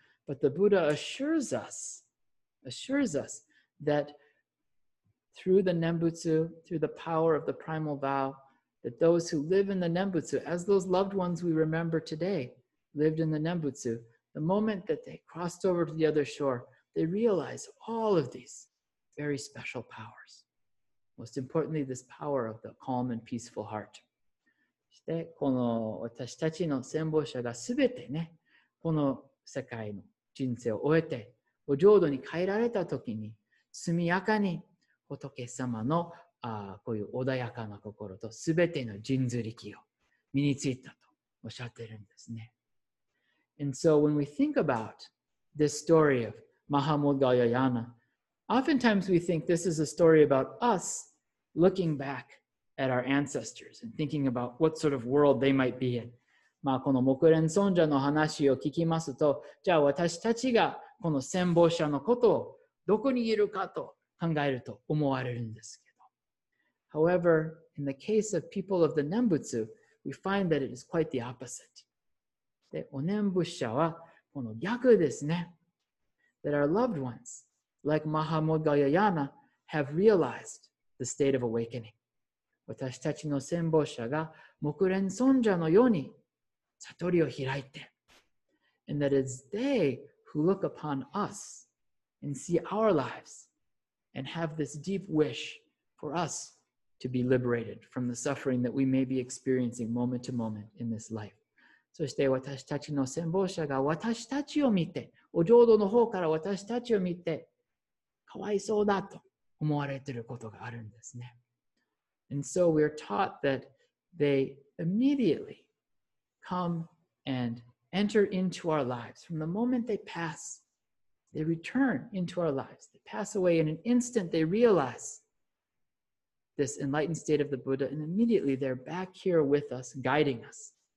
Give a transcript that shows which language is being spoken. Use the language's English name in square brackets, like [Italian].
[English] But the Buddha assures us that through the Nembutsu, through the power of the primal vow, that those who live in the Nembutsu, as those loved ones we remember today lived in the Nembutsu, the moment that they crossed over to the other shore, they realize all of these very special powers. Most importantly, this power of the calm and peaceful heart. [Japanese] そして、この私たちの先祖者がすべてね、この世界の人生を終えて、お浄土に帰られたときに、速やかに仏様のこういう穏やかな心とすべての神通力を身についたとおっしゃってるんですね。 [English] And so when we think about this story of Mahamudgalyayana,Oftentimes we think this is a story about us looking back at our ancestors and thinking about what sort of world they might be in. [Japanese] まあこの目連尊者の話を聞きますと、じゃあ私たちがこの先祖者のことをどこにいるかと考えると思われるんですけど。 [English] However, in the case of people of the Nembutsu, we find that it is quite the opposite. [Japanese] で、お念仏者はこの逆ですね。 [English] That our loved ones,Like Mahamudgalyayana, have realized the state of awakening. [Japanese] 私たちの先祖者が目連尊者のように悟りを開いて。 [English] And that it's they who look upon us and see our lives and have this deep wish for us to be liberated from the suffering that we may be experiencing moment to moment in this life. [Japanese] そして私たちの先謀者が私たちを見て、お浄土の方から私たちを見て、かわいそうだと思われていることがあるんですね。 [English] And so we're taught that they immediately come and enter into our lives. From the moment they pass, they return into our lives. They pass away in an instant, they realize this enlightened state of the Buddha, and immediately they're back here with us, guiding us.